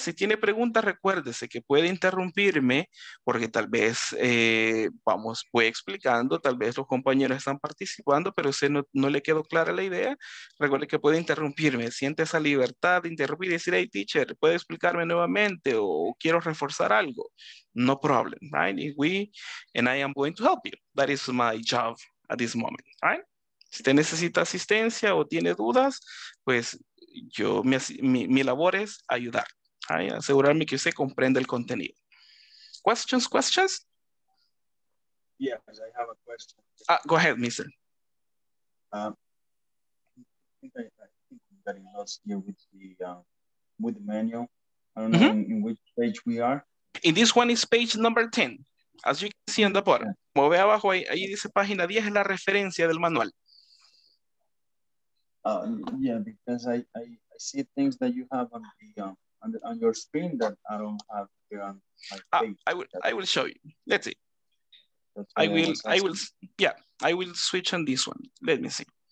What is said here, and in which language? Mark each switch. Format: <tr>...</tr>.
<es>Si tiene preguntas, recuérdese que puede interrumpirme porque tal vez, voy explicando, tal vez los compañeros están participando, pero si no le quedó clara la idea, recuerde que puede interrumpirme. Siente esa libertad de interrumpir y decir,</es> <en>hey, teacher,</en> <es>¿puede explicarme nuevamente o quiero reforzar algo?</es> <en>No problem, right? And I am going to help you. That is my job at this moment, right?</en> <es>Si usted necesita asistencia o tiene dudas, pues, mi labor es ayudar, right? Asegurarme que usted comprende el contenido. Questions?</es> <en>Yes, I have a question. Go ahead, mister. I think I'm getting lost here with the menu. I don't know in which page we are. In this one is page number 10, as you can see on the bottom. Yeah.</en> <es>Move abajo, ahí dice página 10, es la referencia del manual.</es> <en>Because I see things that you have on your screen that I don't have here on my page. I will show you. Let's see. I will switch on this one. Let me see.</en>